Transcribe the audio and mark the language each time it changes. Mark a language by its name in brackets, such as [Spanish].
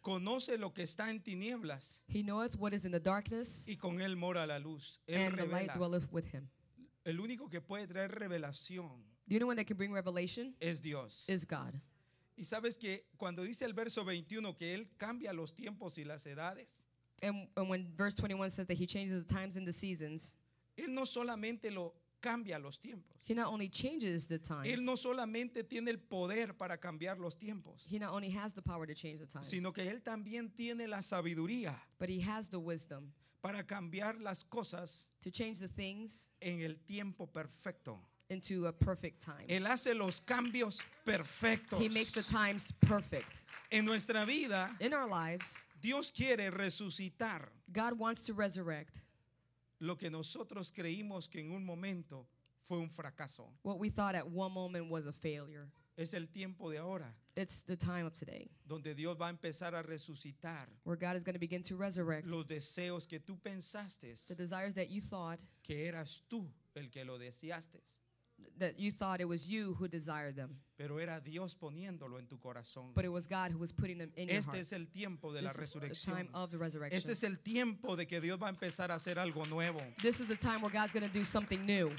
[Spanish] Conoce lo que está en tinieblas. [English] He knoweth what is in the darkness. [Spanish] Y con él mora la luz. Él [English] and [Spanish] revela. [English] The light dwelleth with him. [Spanish] El único que puede traer revelación. [English] The only one that can bring revelation. [Spanish] Es Dios. [English] Is God. [Spanish] Y sabes que cuando dice el verso 21 que él cambia los tiempos y las edades. [English] And when verse 21 says that he changes the times and the seasons. [Spanish] Él no solamente lo cambia los tiempos. [English] He not only changes the times. [Spanish] Él no solamente tiene el poder para cambiar los tiempos. [English] He not only has the power to change the times. [Spanish] Sino que él también tiene la sabiduría. [English] But he has the wisdom. [Spanish] Para cambiar las cosas. [English] To change the things. [Spanish] En el tiempo perfecto. [English] Into a perfect time. [Spanish] Él hace los cambios perfectos. [English] He makes the times perfect. [Spanish] En nuestra vida. [English] In our lives. [Spanish] Dios quiere resucitar. [English] God wants to resurrect. [Spanish] Lo que nosotros creímos que en un momento fue un fracaso. [English] What we thought at one moment was a failure. [Spanish] Es el tiempo de ahora. [English] It's the time of today. [Spanish] Donde Dios va a empezar a resucitar. [English] Where God is going to begin to resurrect. [Spanish] Los deseos que tú pensaste. [English] The desires that you thought. [Spanish] Que eras tú el que lo deseaste. [English] That you thought it was you who desired them. [Spanish] Pero era Dios poniéndolo en tu corazón. [English] But it was God who was putting them in your este heart. [Spanish] Es el tiempo de [English] this [Spanish] la resurrección. [English] Is the time of the resurrection. [Spanish] Este es el tiempo de que Dios va a empezar a hacer algo nuevo. [English] This is the time where God's going to do something new.